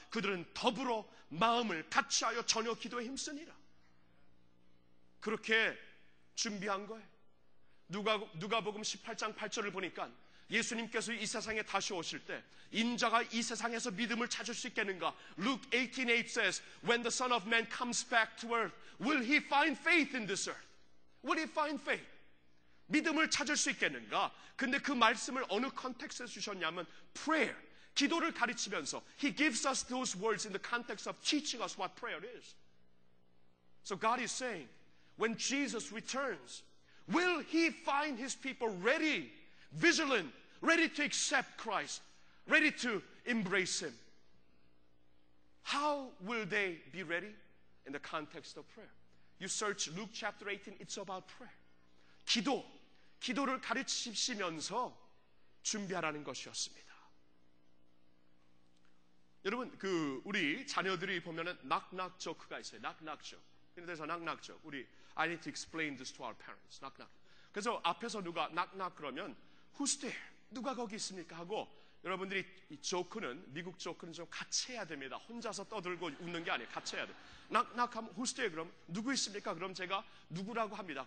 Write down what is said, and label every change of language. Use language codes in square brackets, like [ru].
[ko] 그들은 더불어 마음을 같이하여 전혀 기도에 힘쓰니라. 그렇게 준비한 거예요. 누가복음 18장 8절을 보니까 예수님께서 이 세상에 다시 오실 때 인자가 이 세상에서 믿음을 찾을 수 있겠는가? [en] Luke 18:8 says, When the Son of Man comes back to earth, will he find faith in this earth? Will he find faith? [ko] 믿음을 찾을 수 있겠는가? 근데 그 말씀을 어느 컨텍스트에서 주셨냐면 prayer, 기도를 가르치면서 [en] He gives us those words in the context of teaching us what prayer is. So God is saying, when Jesus returns, will He find His people ready, vigilant, ready to accept Christ, ready to embrace Him? How will they be ready? In the context of prayer. You search Luke chapter 18, it's about prayer. [ko] 기도를 가르치시면서 준비하라는 것이었습니다. 여러분 그 우리 자녀들이 보면은 knock-knock joke가 있어요. knock-knock joke. 이런 데서 knock-knock joke. [en] 우리 I need to explain this to our parents. [ko] knock-knock. 그래서 앞에서 누가 knock-knock 그러면 [en] who's there? [ko] 누가 거기 있습니까? 하고 여러분들이 이 조크는 미국 조크는 좀 같이 해야 됩니다. 혼자서 떠들고 웃는 게 아니에요. 같이 해야 돼. 낙낙하면 [en] who's there? [ko] 그럼 누구 있습니까? 그럼 제가 누구라고 합니다.